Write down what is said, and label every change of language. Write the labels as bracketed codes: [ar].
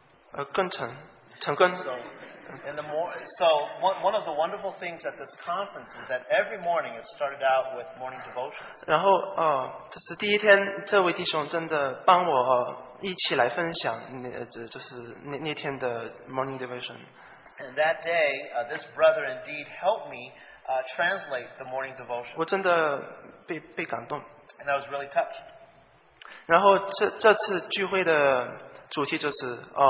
[zh] 这个聚会有一点很好，就是每天早上有那个叫什么，晨更。 [en] So one of the wonderful things at this conference is that every morning it started out with morning devotions. [zh] 然后这是第一天，这位弟兄真的帮我一起来分享，就是那天的 [en] morning devotion. And that day, this brother indeed helped me translate the morning devotion. [zh] 我真的被感动。 [en] And I was really touched. [zh] 然后这次聚会的主题就是。